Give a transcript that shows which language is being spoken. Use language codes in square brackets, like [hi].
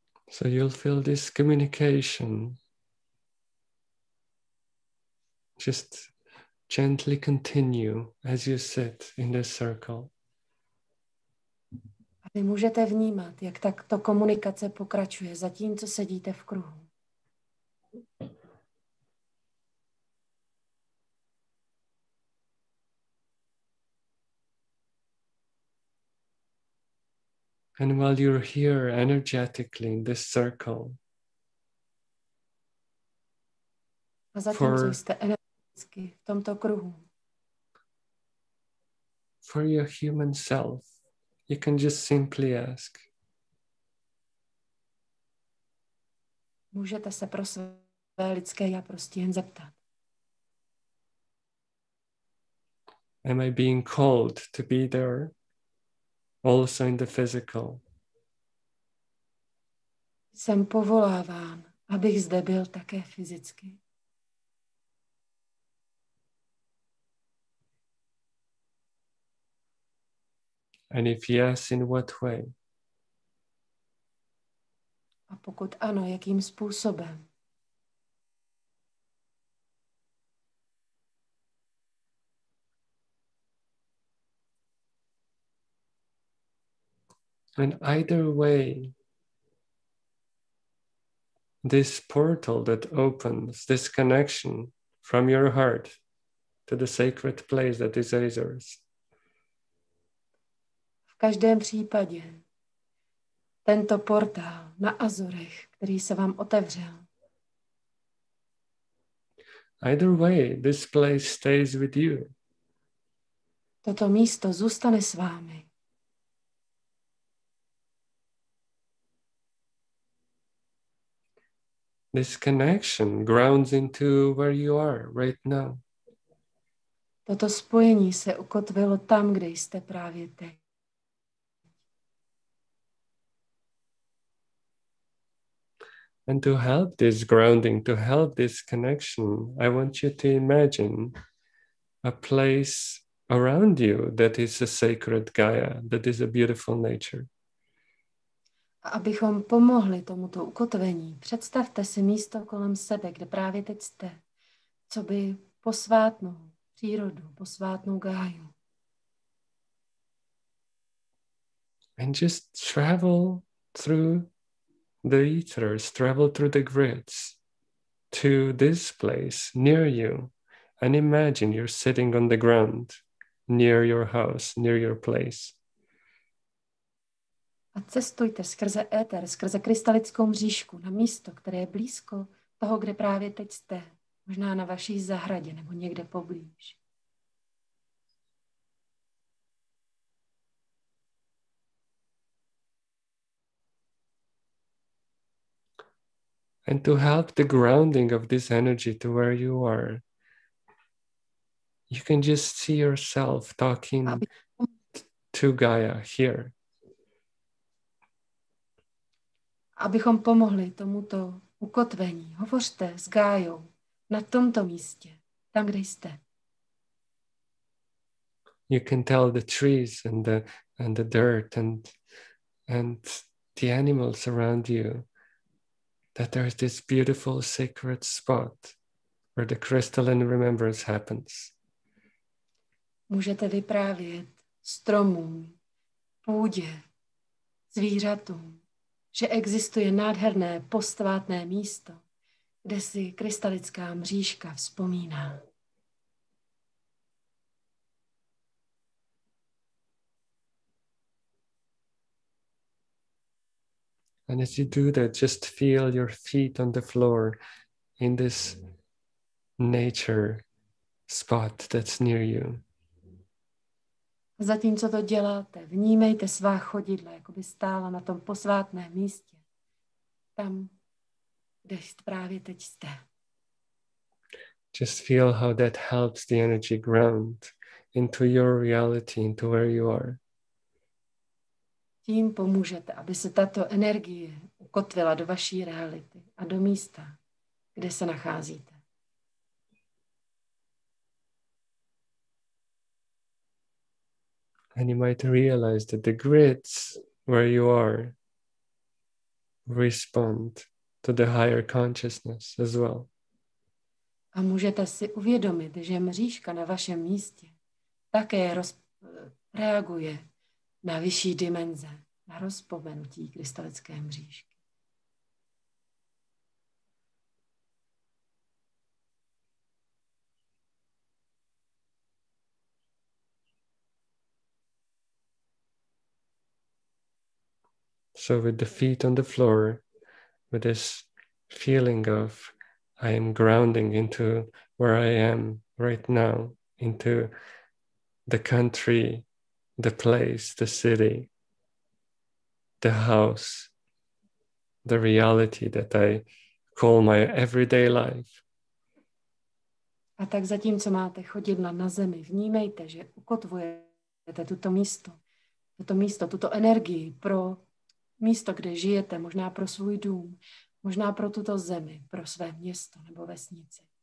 [en] So you'll feel this communication just gently continue as you sit in the circle. [cs] A vy můžete vnímat, jak takto komunikace pokračuje zatímco sedíte v kruhu. [en] And while you're here energetically in this circle, [cs] a zatím, co jste energeticky v tomto kruhu, [en] for your human self, you can just simply ask. [cs] Můžete se pro své lidské já prostě jen zeptat. [en] Am I being called to be there also in the physical? [cs] Jsem povoláván, abych zde byl také fyzicky. [en] And if yes, in what way? [cs] A pokud ano, jakým způsobem? [en] And either way, this portal that opens, this connection from your heart to the sacred place that is Azores. [cs] V každém případě tento portál na Azorech, který se vám otevřel. [en] Either way, this place stays with you. [cs] Toto místo zůstane s vámi. [en] This connection grounds into where you are right now. [cs] Toto spojení se ukotvilo tam, kde jste právě teď. [en] And to help this grounding, to help this connection, I want you to imagine a place around you that is a sacred Gaia, that is a beautiful nature. [cs] Abychom pomohli tomuto ukotvení, představte si místo kolem sebe, kde právě teď jste, co by posvátnou přírodu, posvátnou Gáju. [en] And just travel through the ethers, travel through the grids to this place near you and imagine you're sitting on the ground near your house, near your place. [cs] A cestujte skrze éter, skrze krystalickou mřížku na místo, které je blízko toho, kde právě teď jste. Možná na vaší zahradě nebo někde poblíž. [en] And to help the grounding of this energy to where you are, you can just see yourself talking to Gaia here. [cs] Abychom pomohli tomuto ukotvení, hovořte s Gájou na tomto místě, tam, kde jste. [en] You can tell the trees and the dirt and the animals around you that there is this beautiful sacred spot where the crystalline remembrance happens. [cs] Můžete vyprávět stromům, půdě, zvířatům, že existuje nádherné posvátné místo, kde si krystalická mřížka vzpomíná. [en] And as you do that, just feel your feet on the floor in this nature spot that's near you. [cs] Zatímco to děláte, vnímejte svá chodidla, jako by stála na tom posvátném místě, tam, kde právě teď jste. [en] Just feel how that helps the energy ground into your reality, into where you are. [cs] Tím pomůžete, aby se tato energie ukotvila do vaší reality a do místa, kde se nacházíte. [en] And you might realize that the grids where you are respond to the higher consciousness as well. [cs] A můžete si uvědomit, že mřížka na vašem místě také reaguje na vyšší dimenze, na rozpomenutí krystalické mřížky. [en] So with the feet on the floor, with this feeling of I am grounding into where I am right now, into the country, the place, the city, the house, the reality that I call my everyday life. [cs] A tak zatímco máte chodidla na zemi, vnímejte, že ukotvujete toto místo, tuto energii pro místo, kde žijete, možná pro svůj dům, možná pro tuto zemi, pro své město nebo vesnici.